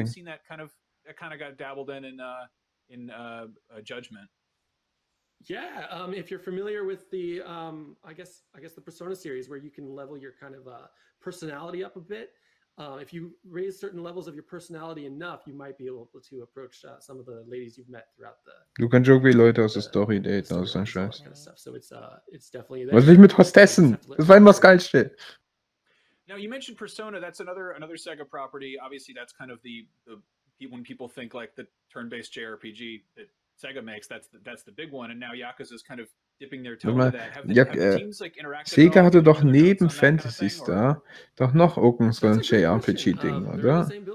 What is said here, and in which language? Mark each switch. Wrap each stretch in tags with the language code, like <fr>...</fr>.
<en>I've seen that kind of got dabbled in Judgment. Yeah, if you're familiar with the, I guess the Persona series, where you can level your kind of personality up a bit. If you raise certain levels of your personality enough, you might be able to approach some of the ladies you've met throughout the.</en> <de>Du kannst irgendwie Leute aus der Story daten oder so ein Scheiß.</de> <en>Kind of so it's definitely there.</en> <de>Was will ich mit Hostessen? Das war immer das Geilste.</de> <en>Now you mentioned Persona. That's another Sega property. Obviously, that's kind of the when people think like the turn-based JRPG. Sega makes, that's the big one, and now Yakuza is kind of dipping their toe into that.</en> <de>Sega hatte doch neben Fantasy Star doch noch irgendein JRPG-Ding, oder?</de>